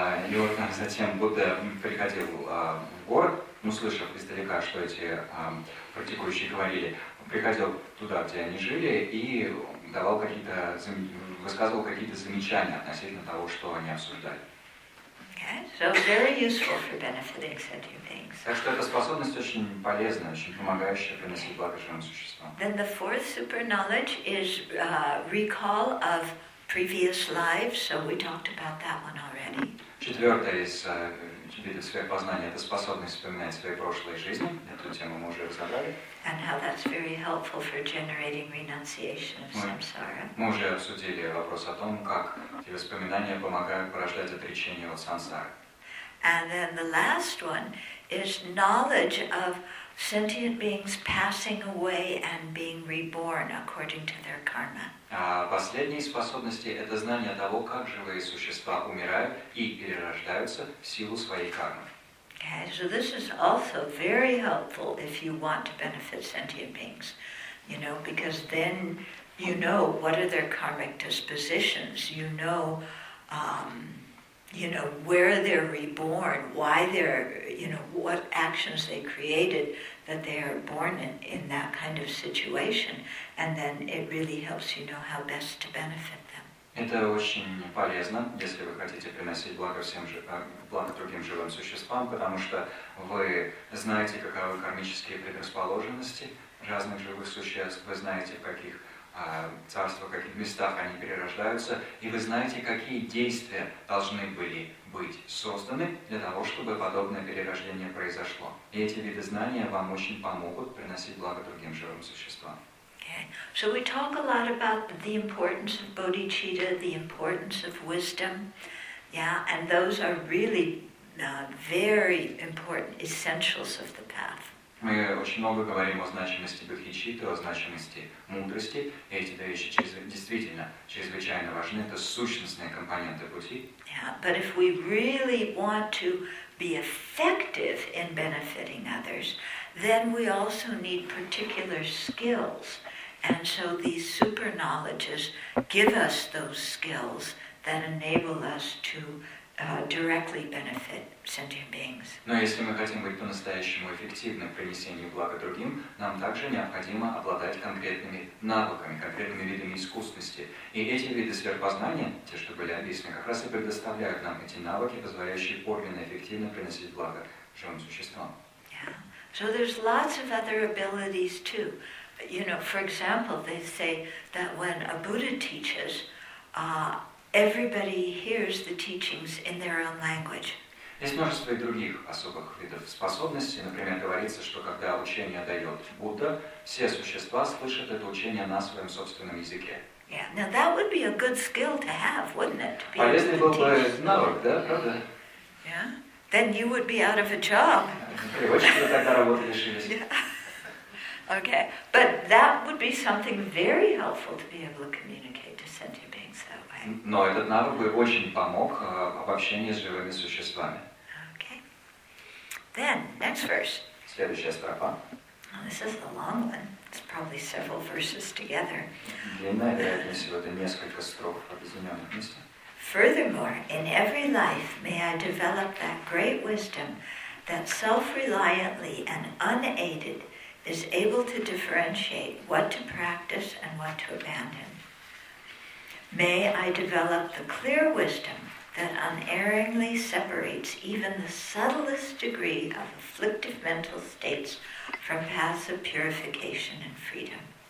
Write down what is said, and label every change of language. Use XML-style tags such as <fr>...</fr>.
<ru>И вот затем Будда приходил в город, услышав издалека, что эти практикующие говорили, приходил туда, где они жили, и давал какие-то, высказывал какие-то замечания относительно того, что они обсуждали.</ru> <en>Okay. So very useful for benefiting sentient beings.</en> <ru>Так что эта способность очень полезна, очень помогающая приносить благо живым существам.</ru> <en>Then the fourth super knowledge is recall of previous lives. So we talked about that one already.</en> <ru>Четвертое из видов сверхпознания – это способность вспоминать свои прошлые жизни. Эту тему мы уже разобрали.</ru> <en>And how that's very helpful for generating renunciation of samsara.</en> <ru>Мы уже обсудили вопрос о том, как эти воспоминания помогают порождать отречение от сансары.</ru> <en>And then the last one is knowledge of sentient beings passing away and being reborn according to their karma.</en> <ru>А последние способности – это знание того, как живые существа умирают и перерождаются в силу своей кармы.</ru> <en>Okay, so this is also very helpful if you want to benefit sentient beings, you know, because then you know what are their karmic dispositions, you know, You know, where they're reborn, why they're, you know, what actions they created that they are born in that kind of situation. And then it really helps you know how best to benefit them.</en> <ru>Это очень полезно, если вы хотите приносить благо всем благо другим живым существам, потому что вы знаете, каковы кармические предрасположенности разных живых существ, вы знаете, в каких царствах, в каких местах они перерождаются, и вы знаете, какие действия должны были быть созданы для того, чтобы подобное перерождение произошло. И эти виды знания вам очень помогут приносить благо другим живым существам.</ru> <en>So we talk a lot about the importance of bodhicitta, the importance of wisdom, yeah, and those are really very important essentials of the path.</en> <ru>Мы очень много говорим о значимости бодхичитты, о значимости мудрости, и эти две вещи действительно чрезвычайно важны, это сущностные компоненты пути.</ru> <en>Yeah, but if we really want to be effective in benefiting others, then we also need particular skills. And so these super knowledges give us those skills that enable us to directly benefit sentient beings.</en> <ru>Но если мы хотим быть по-настоящему эффективны в принесении блага другим, нам также необходимо обладать конкретными навыками, конкретными видами искусности. И эти виды сверхпознания, те, что были описаны, как раз и предоставляют нам эти навыки, позволяющие органно эффективно приносить благо живым существам.</ru> <en>Yeah. So there's lots of other abilities too. You know, for example, they say that when a Buddha teaches, everybody hears the teachings in their own language.</en> <ru>Есть множество других особых видов способностей. Например, говорится, что когда учение дает Будда, все существа слышат это учение на своем собственном языке.</ru> <en>Yeah, now that would be a good skill to have, wouldn't it?</en> <ru>Полезный был бы навык, да, правда?</ru> <en>Yeah, then you would be out of a job.</en> <ru>Переводчики тогда работы лишились.</ru> <en>Okay, but that would be something very helpful to be able to communicate to sentient beings that way.</en> <ru>Но этот навык бы очень помог в общении с живыми существами.</ru> <en>Okay. Then, next verse.</en> <ru>Следующая строфа.</ru> <en>Well, this is a long one. It's probably several verses together.</en> <ru>Длинная, вероятно, всего это несколько строк объединенных вместе.</ru> <en>Furthermore, in every life may I develop that great wisdom that self-reliantly and unaided is able to differentiate what to practice and what to abandon. May I develop the clear wisdom that unerringly separates even the subtlest degree of afflictive mental states from paths of purification and freedom.</en>